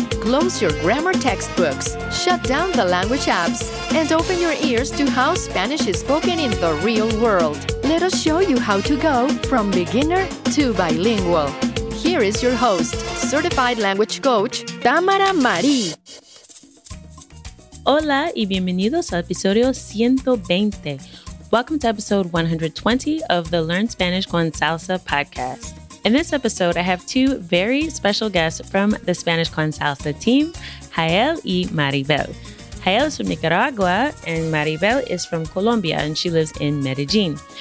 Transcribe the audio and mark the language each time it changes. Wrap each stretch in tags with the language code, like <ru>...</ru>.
<en>Close your grammar textbooks, shut down the language apps, and open your ears to how Spanish is spoken in the real world. Let us show you how to go from beginner to bilingual. Here is your host, certified language coach, Tamara Mari.</en> <es>Hola y bienvenidos al episodio 120.</es> <en>Welcome to episode 120 of the Learn Spanish con Salsa podcast. In this episode, I have two very special guests from the Spanish con Salsa team, Jael</en> <es>y</es> <en>Maribel. Jael is from Nicaragua and Maribel is from Colombia and she lives in Medellin.</en>